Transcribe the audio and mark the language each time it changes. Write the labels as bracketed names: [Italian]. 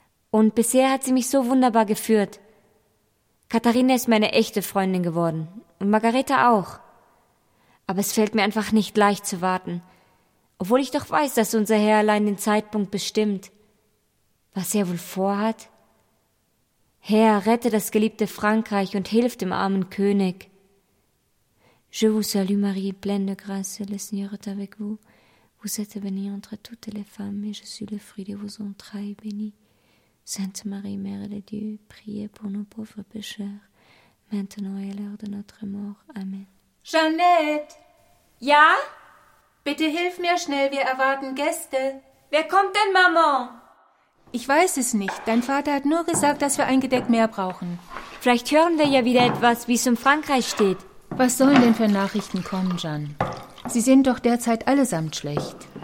[German] Und bisher hat sie mich so wunderbar geführt. Katharina ist meine echte Freundin geworden und Margarete auch. Aber es fällt mir einfach nicht leicht zu warten, obwohl ich doch weiß, dass unser Herr allein den Zeitpunkt bestimmt. Was er wohl vorhat? Herr, rette das geliebte Frankreich und hilf dem armen König. [French] Je vous salue, Marie, pleine de grâce, le Seigneur est avec vous. Vous êtes bénie entre toutes les femmes et je suis le fruit de vos entrailles, bénie. Sainte Marie, Mère de Dieu, priez pour nos pauvres pécheurs, maintenant et à l'heure de notre mort. Amen. [German] Jeanette! Ja? Bitte hilf mir schnell, wir erwarten Gäste. Wer kommt denn, Maman? Ich weiß es nicht. Dein Vater hat nur gesagt, dass wir ein Gedeck mehr brauchen. Vielleicht hören wir ja wieder etwas, wie es um Frankreich steht. Was sollen denn für Nachrichten kommen, Jeanne? Sie sind doch derzeit allesamt schlecht.